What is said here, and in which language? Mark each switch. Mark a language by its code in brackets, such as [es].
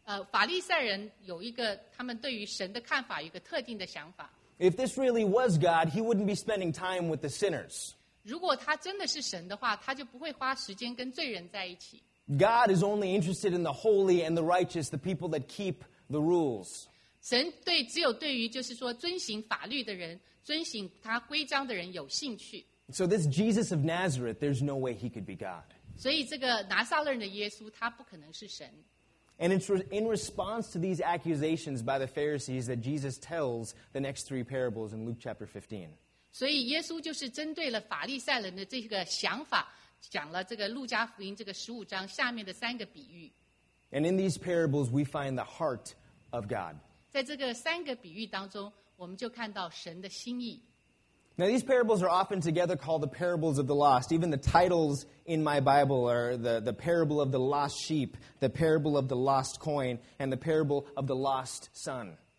[zh] 法利赛人有一个他们对于神的看法有一个特定的想法。 [en] If this really was God, he wouldn't be spending time with the sinners. [zh] 如果他真的是神的话，他就不会花时间跟罪人在一起。 [en] God is only interested in the holy and the righteous, the people that keep the rules. [zh] 神对只有对于就是说遵行法律的人，遵行他规章的人有兴趣。 [en] So this Jesus of Nazareth, there's no way he could be God. [zh] 所以这个拿撒勒人的耶稣，他不可能是神。 [en] And it's in response to these accusations by the Pharisees that Jesus tells the next three parables in Luke chapter 15. [zh] 所以耶稣就是针对了法利赛人的这个想法, 讲了这个路加福音这个15章下面的三个比喻。 [en] And in these parables, we find the heart of God. [zh] 在这个三个比喻当中, 我们就看到神的心意。 [en] Now these parables are often together called the parables of the lost. Even the titles in my Bible are the parable of the lost sheep, the parable of the lost coin, and the parable of the lost son.